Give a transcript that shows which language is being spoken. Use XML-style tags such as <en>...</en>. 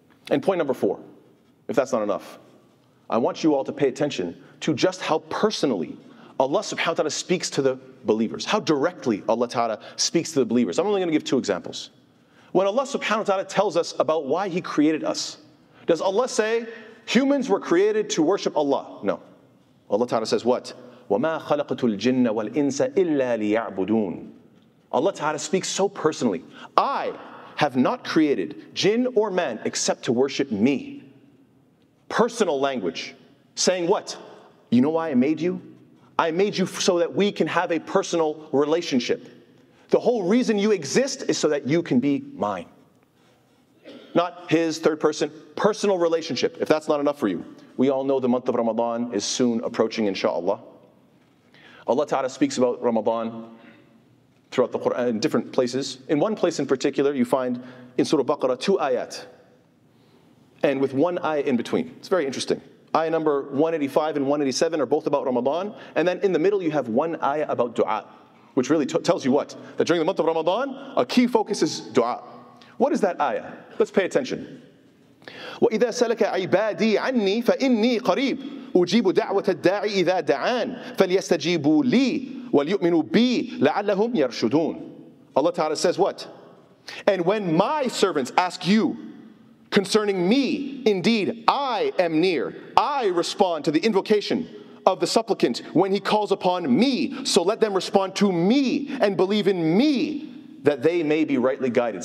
<en>And point number four, if that's not enough, I want you all to pay attention to just how personally Allah subhanahu wa ta'ala speaks to the believers. How directly Allah ta'ala speaks to the believers. I'm only going to give two examples. When Allah subhanahu wa ta'ala tells us about why He created us, does Allah say, humans were created to worship Allah? No. Allah ta'ala says what?</en> <ar>وَمَا خَلَقَتُ الْجِنَّ وَالْإِنسَ إِلَّا لِيَعْبُدُونَ</ar> <en>Allah ta'ala speaks so personally. I have not created jinn or man except to worship me. Personal language. Saying what? You know why I made you? I made you so that we can have a personal relationship. The whole reason you exist is so that you can be mine. Not his, third person, personal relationship. If that's not enough for you, we all know the month of Ramadan is soon approaching, inshallah. Allah Ta'ala speaks about Ramadan throughout the Quran in different places. In one place in particular, you find in Surah Baqarah two ayat, and with one ayah in between. It's very interesting. Ayah number 185 and 187 are both about Ramadan. And then in the middle, you have one ayah about dua, which really tells you what? That during the month of Ramadan, a key focus is dua. What is that ayah? Let's pay attention.</en> <ar>وَإِذَا سَلَكَ عِبَادِي عَنِّي فَإِنِّي قَرِيبٌ أُجِيبُ دَعْوَةَ الدَّاعِ إِذَا دَعَانِ فَلْيَسْتَجِيبُوا لِي وَلْيُؤْمِنُوا بِي لَعَلَّهُمْ يَرْشُدُونَ</ar> <en>Allah Ta'ala says what? And when my servants ask you concerning me, indeed, I am near. I respond to the invocation of the supplicant when he calls upon me. So let them respond to me and believe in me that they may be rightly guided.</en>